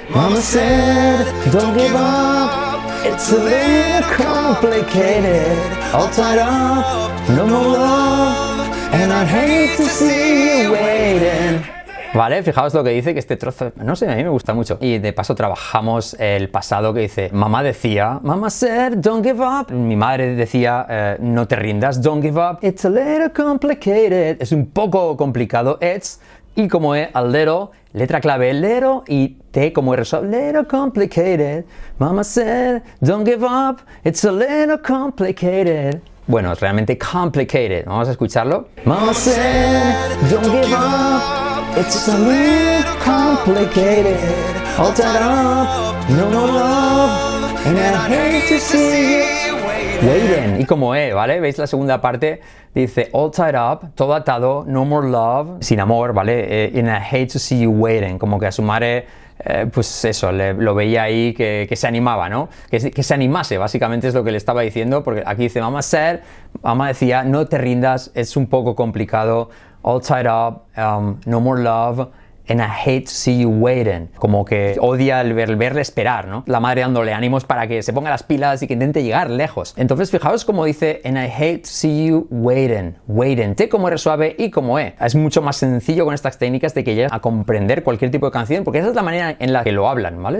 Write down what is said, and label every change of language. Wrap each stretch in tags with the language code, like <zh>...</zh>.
<en>Mama said, don't give up, it's a little complicated. All tied up, no more love, and I'd hate to see you waiting.</en> <es>Vale, fijaos lo que dice, que este trozo, no sé, a mí me gusta mucho. Y de paso trabajamos el pasado, que dice, mamá decía, mamá</es> <en>said, don't give up.</en> <es>Mi madre decía, no te rindas,</es> <en>don't give up. It's a little complicated.</en> <es>Es un poco complicado, it's, y como es,</es> <en>a little,</en> <es>letra clave, little, y T como R,</es> <en>so, little complicated. Mamá said, don't give up, it's a little complicated.</en> <es>Bueno, es realmente</es> <en>complicated,</en> <es>vamos a escucharlo.</es> <en>Mamá said, don't give up. It's a little complicated. All tied up, no more love, and I hate to see you waiting.</en> <es>Y como E, ¿vale? ¿Veis la segunda parte? Dice</es> <en>all tied up,</en> <es>todo atado,</es> <en>no more love,</en> <es>sin amor, ¿vale?</es> <en>And I hate to see you waiting.</en> <es>Como que a su madre, pues eso, lo veía ahí que se animaba, ¿no? Que se animase, básicamente es lo que le estaba diciendo. Porque aquí dice,</es> <en>mama said,</en> <es>mama decía, no te rindas, es un poco complicado.</es> <en>All tied up, no more love, and I hate to see you waiting.</en> <es>Como que odia el verle esperar, ¿no? La madre dándole ánimos para que se ponga las pilas y que intente llegar lejos. Entonces, fijaos cómo dice,</es> <en>and I hate to see you waiting.</en> <es>Waiting, T como R suave y como E. Es mucho más sencillo con estas técnicas de que llegues a comprender cualquier tipo de canción, porque esa es la manera en la que lo hablan, ¿vale?</es>